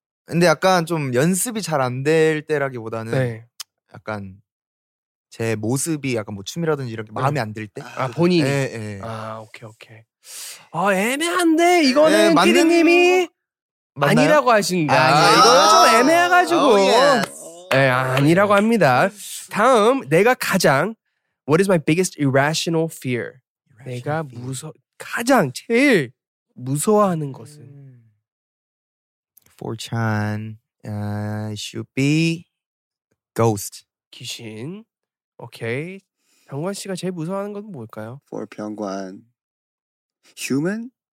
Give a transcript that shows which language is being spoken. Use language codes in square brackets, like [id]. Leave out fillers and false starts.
[ko] 근데 약간 좀 연습이 잘 안 될 때라기보다는 네. 약간 제 모습이 약간 뭐 춤이라든지 이런 게 마음에 안 들 때? 아 본인이? 네, 네. 아 오케이. 아 애매한데 이거는 네, 피디님이 아니라고 하신다. 아니요. 이거는 좀 애매해가지고 예 네, 아니라고 합니다. 다음 내가 가장 [en] What is my biggest irrational fear? [ko] Irrational 내가 가장 제일 무서워하는 것은? [en] 4chan, it should be ghost. [ko] 귀신. 오케이. 병관 씨가 제일 무서워하는 건 뭘까요? [en] For 병관. Human?